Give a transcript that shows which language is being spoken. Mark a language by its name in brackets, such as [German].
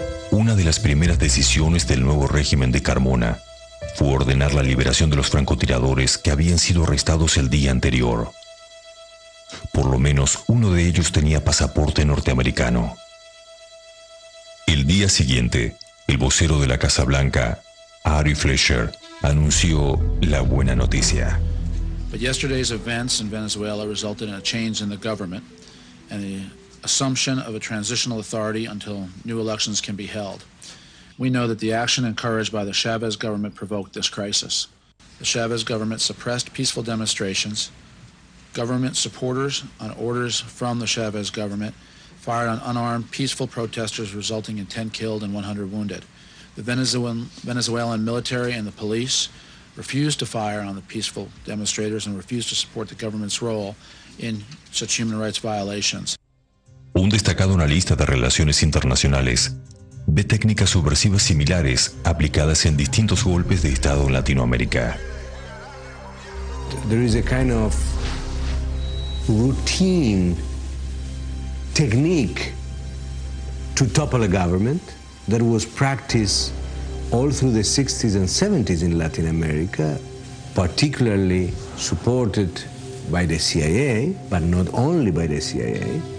[Spanish] Una de las primeras decisiones del nuevo régimen de Carmona fue ordenar la liberación de los francotiradores que habían sido arrestados el día anterior. Por lo menos uno de ellos tenía pasaporte norteamericano. El día siguiente, el vocero de la Casa Blanca, Ari Fleischer, anunció la buena noticia. [English] But yesterday's events in Venezuela resulted in a change in the government and the assumption of a transitional authority until new elections can be held. We know that the action encouraged by the Chavez government provoked this crisis. The Chavez government suppressed peaceful demonstrations. Government supporters, on orders from the Chavez government, fired on unarmed peaceful protesters, resulting in 10 killed and 100 wounded. The Venezuelan military and the police refused to fire on the peaceful demonstrators and refused to support the government's role in such human rights violations. [Spanish] Un destacado analista de relaciones internacionales ve técnicas subversivas similares aplicadas en distintos golpes de Estado en Latinoamérica. [English] There is a kind of routine technique to topple a government that was practiced all through the 60s and 70s in Latin America, particularly supported by the CIA, but not only by the CIA.